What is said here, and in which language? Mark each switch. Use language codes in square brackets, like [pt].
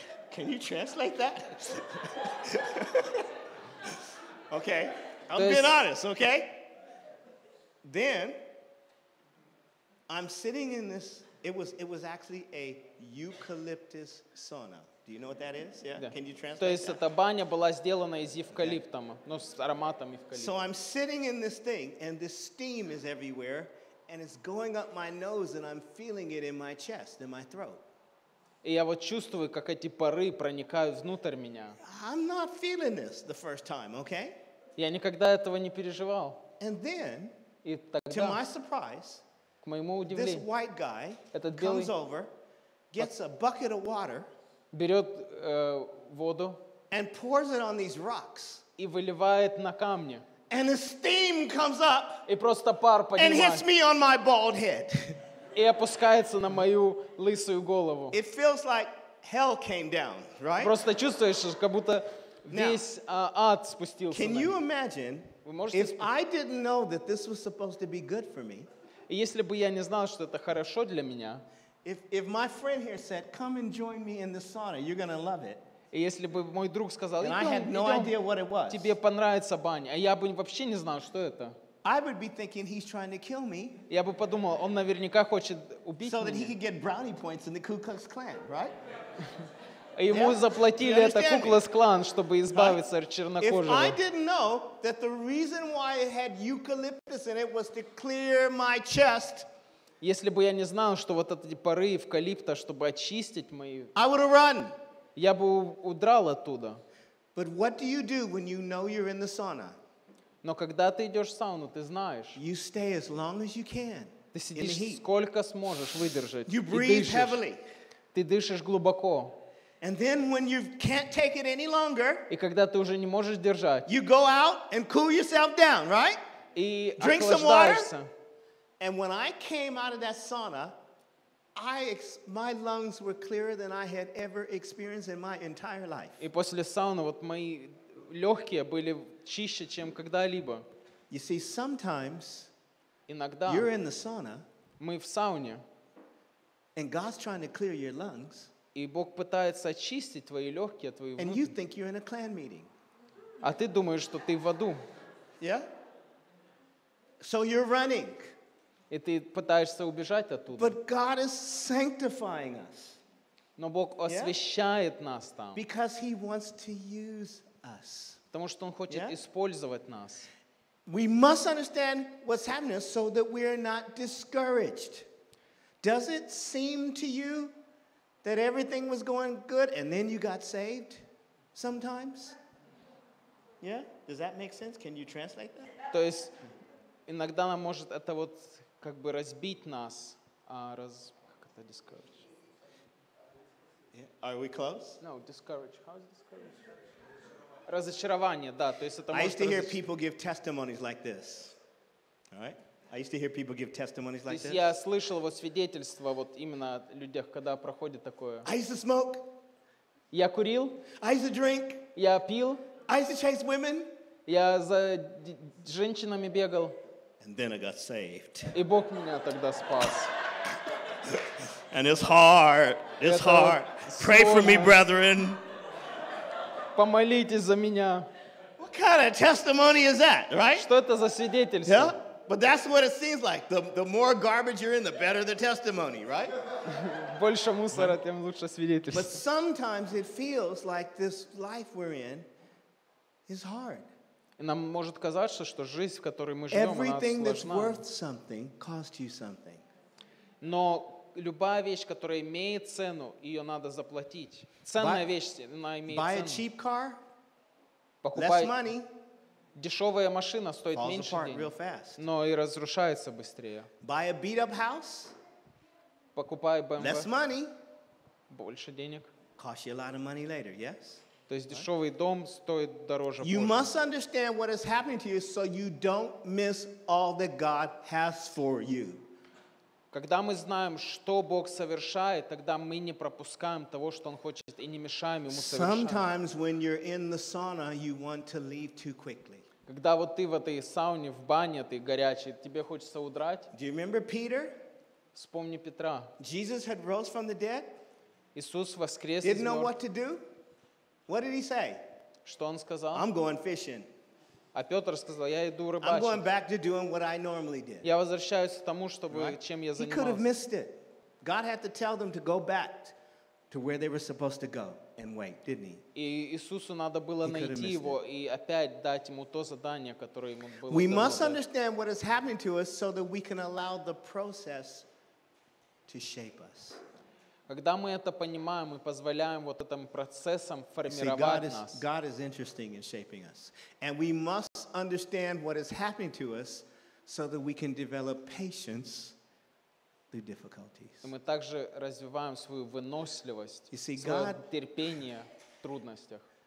[en] Can you translate that? Okay, I'm being honest, okay? Then, I'm sitting in this, it was actually a eucalyptus sauna. Do you know what that is? Yeah? Yeah. Can you translate [ru] То есть [en] that? [ru] Эта баня была сделана из эвкалипта, yeah. Ну, с ароматом эвкалипта. [en] So I'm sitting in this thing, and this steam is everywhere, and it's going up my nose, and I'm feeling it in my chest, in my throat. [ru] И я вот чувствую, как эти пары проникают внутрь меня. [en] I'm not feeling this the first time, okay? [ru] Я никогда этого не переживал. [en] And then, [ru] И тогда, [en] to my surprise, [ru] к моему удивлению, [en] this white guy [ru] этот белый [en] comes over, gets a bucket of water, [ru] берет воду [en] and pours it on these rocks, [ru] и выливает на камни. [en] And the steam comes up, [ru] и просто пар поднимает. [en] And hits me on my bald head. [ru] И опускается на мою лысую голову. [en] It feels like hell came down, right? [ru] Просто чувствуешь, как будто весь [en] Now, [ru] ад спустился [en] can [ru] на [en] you imagine [ru] Вы можете [en] if I didn't know that this was supposed to be good for me, [ru] и если бы я не знал, что это хорошо для меня, [en] if my friend here said, come and join me in the sauna, you're going to love it, [ru] и если бы мой друг сказал, [en] and I had no idea what it was, [ru] тебе понравится баня, а я бы вообще не знал, что это. [en] I would be thinking he's trying to kill me. [ru] Я бы подумал, он наверняка хочет убить меня. [en] So that he could get brownie points in the Ku Klux Klan, right? [ru] Ему заплатили это Ku Klux Klan, чтобы избавиться от чернокожего. [en] If I didn't know that the reason why it had eucalyptus in it was to clear my chest. [ru] Если бы я не знал, что вот эти пары эвкалипта, чтобы очистить мои. [en] I would have run. [ru] Я бы удрал оттуда. [en] But what do you do when you know you're in the sauna? [ru] Но когда ты идешь в сауну, ты знаешь. [en] You stay as long as you can. [ru] Ты сидишь сколько сможешь выдержать. [en] You breathe heavily. [ru] Ты дышишь глубоко. [en] And then when you can't take it any longer, [ru] и когда ты уже не можешь держать, [en] you go out and cool yourself down, right? [ru] И [en] drink some water. And when I came out of that sauna, my lungs were clearer than I had ever experienced in my entire life. [ru] И после сауны вот мои легкие были чище, чем когда-либо. [en] You see, sometimes, [ru] иногда, [en] you're in the sauna, [ru] мы в сауне, [en] and God's trying to clear your lungs, [ru] и Бог пытается очистить твои легкие, твои внутренние. [en] And you think you're in a clan meeting. [ru] А ты думаешь, что ты в аду. [en] Yeah? So you're running. [ru] И ты пытаешься убежать оттуда. [en] But God is sanctifying us. [ru] Но Бог освящает нас там. [en] Because he wants to use us. [ru] Потому что он хочет использовать нас. [en] We must understand what's happening so that we are not discouraged. Does it seem to you that everything was going good and then you got saved sometimes? Yeah? Does that make sense? Can you translate that? [ru] То есть иногда нам может это вот как бы разбить нас, как это discourage. [en] Are we close? No, discourage. How is discourage? [ru] Разочарование, да, то есть это [en] I used to hear people give testimonies like this. All right? I used to hear people give testimonies like this. [ru] Я слышал вот свидетельства вот именно от людей, когда проходит такое. [en] I used to smoke. [ru] Я курил. [en] I used to drink. [ru] Я пил. [en] I used to chase women. [ru] Я за женщинами бегал. [en] And then I got saved. [ru] И Бог меня тогда спас. [en] And it's hard. It's hard. Pray for me, brethren. [ru] Помолитесь за меня. [en] What kind of testimony is that, right? [ru] Что это за свидетельство? [en] Yeah? But that's what it seems like. The more garbage you're in, the better the testimony, right? [ru] Больше мусора, тем лучше свидетельство. [en] But sometimes it feels like this life we're in is hard. [ru] И нам может казаться, что жизнь, в которой мы живем, [en] Everything [ru] у нас сложна. [en] Everything that's worth something costs you something. [ru] Но любая вещь, которая имеет цену, ее надо заплатить. Ценная вещь, она имеет [en] buy [ru] цену. [en] A cheap car, [ru] Покупай [en] less money, [ru] дешевая машина стоит [en] falls [ru] меньше [en] apart [ru] денег, [en] real fast. [ru] Но и разрушается быстрее. [en] Buy a beat up house, [ru] Покупай BMW, [en] less money, [ru] больше денег. [en] Costs you a lot of money later, yes? [ru] То есть дешевый дом стоит дороже. [en] You must understand what is happening to you so you don't miss all that God has for you. [ru] Когда мы знаем, что Бог совершает, тогда мы не пропускаем того, что Он хочет, и не мешаем Ему совершать. [en] Sometimes when you're in the sauna, you want to leave too quickly. [ru] Когда вот ты в этой сауне, в бане, ты горячий, тебе хочется удрать. [en] Do you remember Peter? [ru] Вспомни Петра. [en] Jesus had rose from the dead. [ru] Иисус воскрес из [en] мертвых. Didn't know what to do. What did he say? [ru] Что он сказал? [en] I'm going fishing. [ru] А Петр сказал, я иду рыбачить. [en] I'm going back to doing what I normally did. [ru] Я возвращаюсь к тому, чтобы right? чем я занимался. [en] He could have missed it. God had to tell them to go back to where they were supposed to go and wait, didn't he? [ru] И Иисусу надо было найти его и опять дать ему то задание, которое ему было. [en] We must understand what is happening to us so that we can allow the process to shape us. [ru] Когда мы это понимаем, мы позволяем вот этим процессам формировать нас. [en] God is interesting in shaping us. And we must understand what is happening to us so that we can develop patience through difficulties. [ru] Мы также развиваем свою выносливость, свое терпение в трудностях.